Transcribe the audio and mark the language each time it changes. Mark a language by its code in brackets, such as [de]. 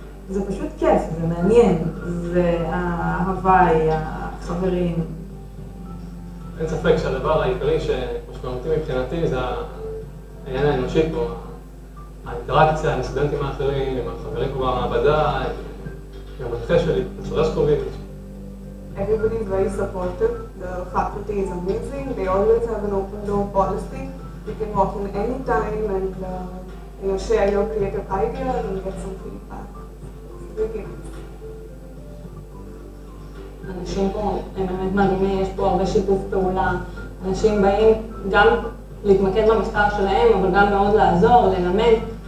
[he] זה פשוט כיף, זה מעניין, וההוואי, החברים. אין ספק שהדבר העיקרי שמשמעותי מבחינתי זה העניין האנושי פה. האינטראקציה עם הסטודנטים האחרים, עם החברים כמו המעבדה, עם המנחה שלי, בצורה סקובית. [en] Everybody is very supportive. The faculty is amazing. They always have an open door policy. You can walk in any time and you know, share your creative idea and get some feedback. Thank you. [he] אנשים פה הם באמת מדהימים, יש פה הרבה שיתוף פעולה. אנשים באים גם להתמקד במחקר שלהם, אבל גם מאוד לעזור, ללמד.